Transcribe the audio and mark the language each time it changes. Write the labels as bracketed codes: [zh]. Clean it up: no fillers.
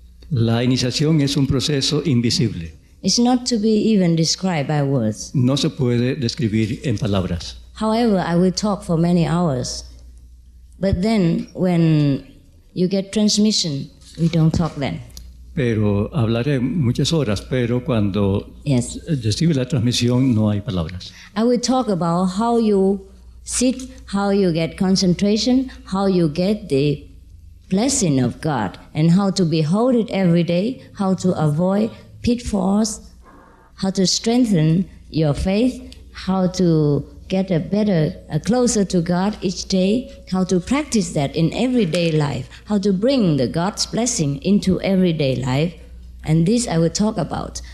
[es] La iniciación es un proceso invisible. [en] It's not to be even described by words. [es] No se puede describir en palabras. [en] However, I will talk for many hours. But then, when you get transmission, we don't talk then. [es] Pero hablaré muchas horas, pero cuando recibe la transmisión, no hay palabras. [en] I will talk about how you sit, how you get concentration, how you get the blessing of God, and how to behold it every day, how to avoid pitfalls, how to strengthen your faith, how to get closer to God each day, how to practice that in everyday life, how to bring the God's blessing into everyday life, and this I will talk about.